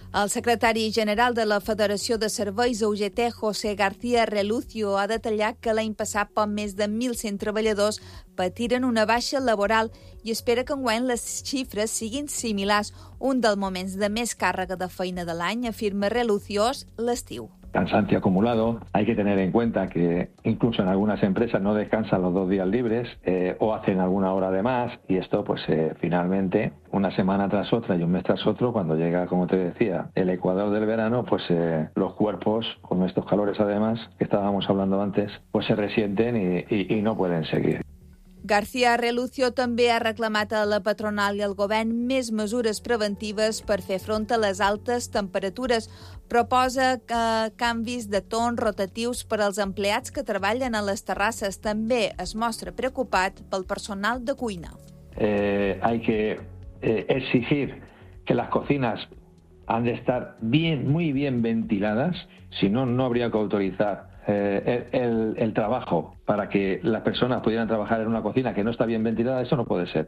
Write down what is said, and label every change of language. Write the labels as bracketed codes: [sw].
[ca] El secretari general de la Federació de Serveis UGT, José García Relucio, ha detallat que l'any passat poc més de 1.100 treballadors patiren una baixa laboral i espera que enguany les xifres siguin similars. Un dels moments de més càrrega de feina de l'any, afirma Relucio, l'estiu. [es] Cansancio acumulado. Hay que tener en cuenta que incluso en algunas empresas no descansan los dos días libres o hacen alguna hora de más. Y esto, pues finalmente, una semana tras otra y un mes tras otro, cuando llega, como te decía, el ecuador del verano, pues los cuerpos, con estos calores además, que estábamos hablando antes, pues se resienten y no pueden seguir. [ca] García Relucio també ha reclamat a la patronal i al govern més mesures preventives per fer front a les altes temperatures. Proposa canvis de torns rotatius per als empleats que treballen a les terrasses. També es mostra preocupat pel personal de cuina. [es] Hay que exigir que las cocinas han de estar bien, muy bien ventiladas, si no, no habría que autorizar el trabajo para que las personas pudieran trabajar en una cocina que no está bien ventilada. Eso no puede ser.